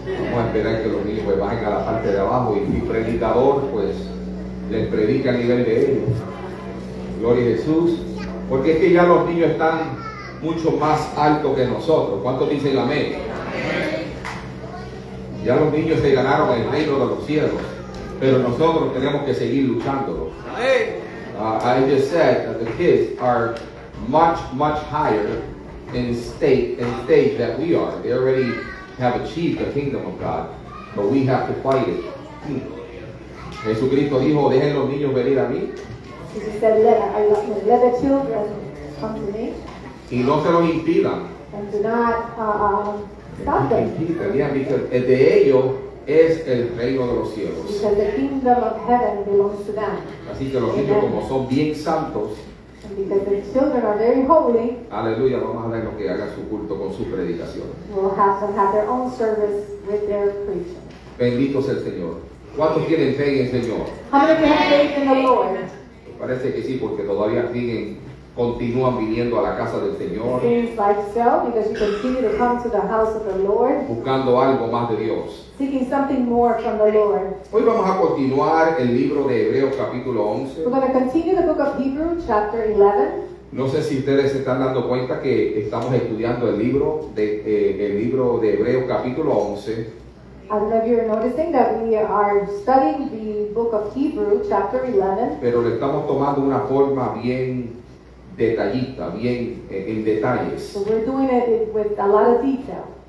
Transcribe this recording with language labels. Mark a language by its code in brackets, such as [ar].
[es] Vamos a esperar que los niños pues bajen a la parte de abajo y mi predicador pues les predica a nivel de ellos. Gloria a Jesús. Porque es que ya los niños están mucho más altos que nosotros. ¿Cuántos dicen amén? Ya los niños se ganaron el reino de los cielos. Pero nosotros tenemos que seguir luchándolo. [en] I just said that the kids are much, much higher in state that we are. They already have achieved the kingdom of God, but we have to fight it. [es] Jesucristo dijo, dejen los niños venir a mí. [en] Jesus said, let the children come to me. [es] Y no se los impidan. [en] And do not stop them. Yeah, because [es] el de ellos es el reino de los cielos. [en] Because the kingdom of heaven belongs to them. [es] Así que los niños como son bien santos. [en] Because the children are very holy. [es] Aleluya, vamos a ver que haga su culto con su predicación. [en] We'll have their own service with their preaching. [es] Bendito sea el Señor. ¿Cuántos tienen fe en el Señor? [en] How many have faith in the Lord? [es] Parece que sí, porque todavía siguen, continúan viniendo a la casa del Señor. [en] It seems like so, because you continue to come to the house of the Lord. [es] Buscando algo más de Dios. [en] Seeking something more from the Lord. [es] Hoy vamos a continuar el libro de Hebreos capítulo 11. [en] We're going to continue the book of Hebrews chapter 11. [es] No sé si ustedes se están dando cuenta que estamos estudiando el libro de Hebreos capítulo 11. [en] I don't know if you're noticing that we are studying the book of Hebrews chapter 11. [es] Pero le estamos tomando una forma bien detallista, bien en detalles. [en] So we're doing it with a lot of detail.